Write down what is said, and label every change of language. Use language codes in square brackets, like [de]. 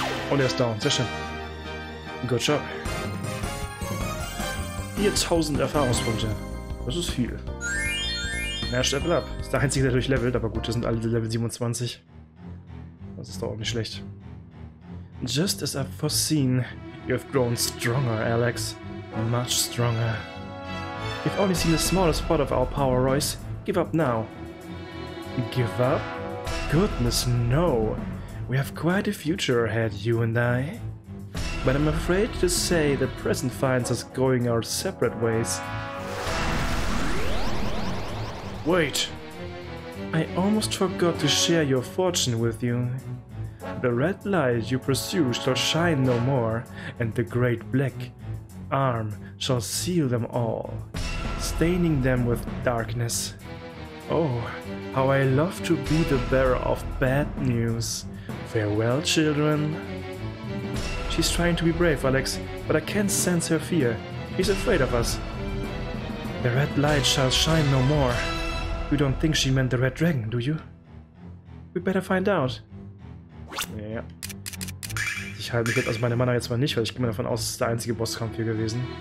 [de] Und er ist down. Sehr schön. [en] Good job. [de] 4000 Erfahrungspunkte. Das ist viel. Mehr Level up. Ist der einzige, der durchlevelt, aber gut, das sind alle Level 27. Das ist doch auch nicht schlecht. [en] Just as I've foreseen, you have grown stronger, Alex. Much stronger. You've only seen the smallest part of our power, Royce. Give up now. Give up? Goodness, no. We have quite a future ahead, you and I. But I'm afraid to say the present finds us going our separate ways. Wait. I almost forgot to share your fortune with you. The red light you pursue shall shine no more, and the great black arm shall seal them all, staining them with darkness. Oh, how I love to be the bearer of bad news. Farewell, children. She's trying to be brave, Alex, but I can't sense her fear. She's afraid of us. The red light shall shine no more. You don't think she meant the red dragon, do you? We better find out. Ja. [de] Ich halte mich jetzt aus meiner Mana jetzt mal nicht, weil ich gehe mal davon aus, dass es der einzige Bosskampf hier gewesen.